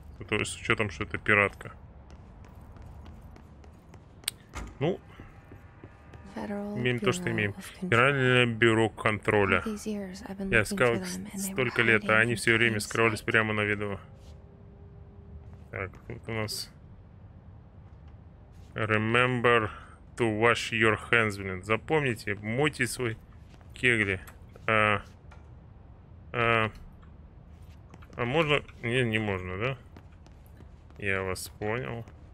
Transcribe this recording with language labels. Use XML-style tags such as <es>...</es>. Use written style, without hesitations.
<ru>То есть с учетом, что это пиратка. Ну, Имеем то, что имеем. Федеральное бюро контроля. Я искал их столько лет, а они все время скрывались прямо на виду. Так, тут у нас...</ru> <en>Remember to wash your hands,</en> <ru>блин. Запомните, мойте свои кегли. А можно... Не, не можно, да? Я вас понял.</ru>